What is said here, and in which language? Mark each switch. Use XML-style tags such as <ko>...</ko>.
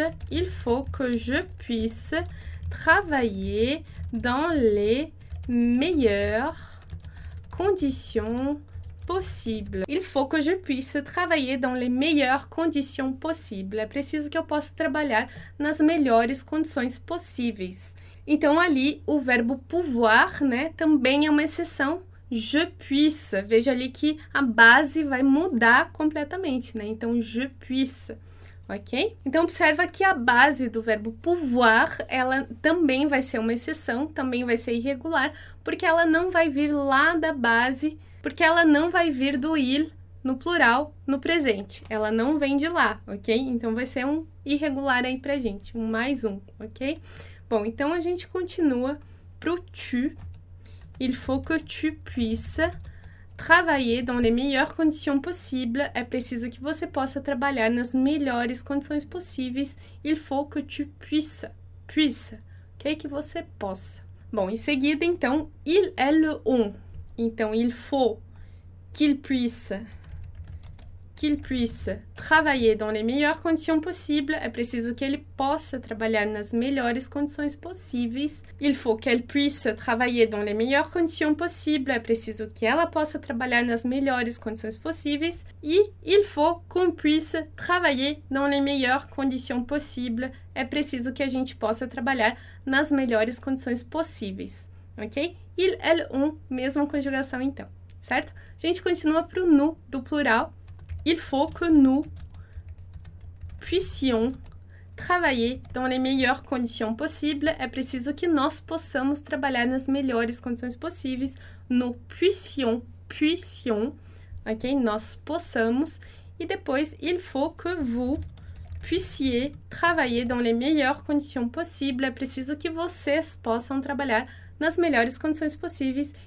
<fr>Il faut que je puisse travailler dans les meilleures conditions possibles. Il faut que je puisse travailler dans les meilleures conditions possibles.</fr> <pt>É preciso que eu possa trabalhar nas melhores condições possíveis. Então, ali, o verbo pouvoir, né, também é uma exceção. Je puisse. Veja ali que a base vai mudar completamente, né? Então, je puisse, ok? Então, observa que a base do verbo pouvoir, ela também vai ser uma exceção, também vai ser irregular, porque ela não vai vir lá da base, porque ela não vai vir do il no plural, no presente. Ela não vem de lá, ok? Então, vai ser um irregular aí pra gente, um mais um, ok? Bom, então a gente continua pro tu.</pt> <fr>Il faut que tu puisses travailler dans les meilleures conditions possibles.</fr> <pt>É preciso que você possa trabalhar nas melhores condições possíveis.</pt> <fr>Il faut que tu puisses. Puisse. Ok?</fr> <pt>Que você possa. Bom, em seguida, então, il, elle, on.</pt> <fr>Então, il faut qu'il puisse travailler dans les meilleures conditions possibles.</fr> <pt>É preciso que ele possa trabalhar nas melhores condições possíveis.</pt> <fr>Il faut qu'elle puisse travailler dans les meilleures conditions possibles.</fr> <pt>É preciso que ela possa trabalhar nas melhores condições possíveis.</pt> <fr>E il faut qu'on puisse travailler dans les meilleures conditions possibles.</fr> <pt>É preciso que a gente possa trabalhar nas melhores condições possíveis. Ok? Il, elle, on, mesma conjugação então, certo? A gente continua para o nu do plural.</pt> <fr>Il faut que nous puissions travailler dans les meilleures conditions possibles.</fr> <pt>É preciso que nós possamos trabalhar nas melhores condições possíveis.</pt> <fr>Nous puissions, ok?</fr> <pt>Nós possamos. E depois,</pt> <fr>il faut que vous puissiez travailler dans les meilleures conditions possibles.</fr> <pt>É preciso que vocês possam trabalhar nas melhores condições possíveis.</pt>